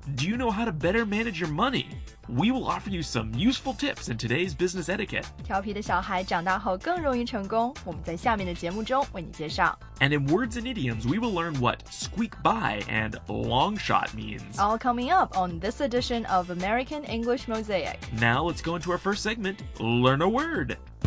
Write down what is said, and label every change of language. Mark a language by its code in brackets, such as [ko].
[en] Do you know how to better manage your money? We will offer you some useful tips in today's business etiquette. [zh] 调皮的小孩长大后更容易成功，我们在下面的节目中为你介绍。 [en] And in words and idioms, we will learn what squeak by and long shot means. All coming up on this edition of American English Mosaic. Now let's go into our first segment, Learn a Word.